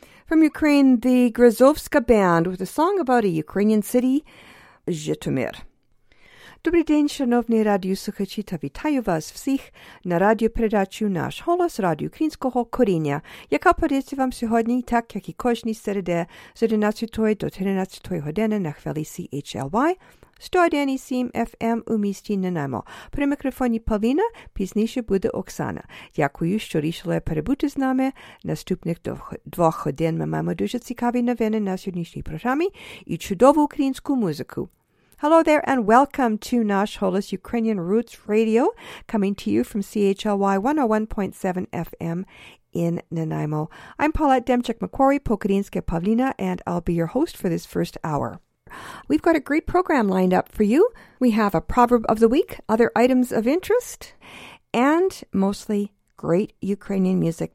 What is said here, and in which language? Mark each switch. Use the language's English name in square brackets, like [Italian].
[English] The Grazovska Band with a song about a Ukrainian city, Zhytomyr. [Czech] Dobrý den, [Ukrainian] шановні радіослухачі, та вітаю вас всіх на радіопередачу «Наш голос» радіо українського коріння, яка подається вам сьогодні, так як і кожні середи з 11 до 13 години на хвилі CHLY 101.7 FM у місті Нанаймо. При мікрофоні Павліна, пізніше буде Оксана. Дякую, що рішили перебути з нами. Наступних двох годин ми маємо дуже цікаві новини на сьогоднішній програмі і чудову українську музику. [English] Hello there and welcome to Nash Holos Ukrainian Roots Radio, coming to you from CHLY 101.7 FM in Nanaimo. I'm Paulette Demchuk-McQuarrie, Pokadinska Pavlina, and I'll be your host for this first hour. We've got a great program lined up for you. We have a proverb of the week, other items of interest, and mostly great Ukrainian music.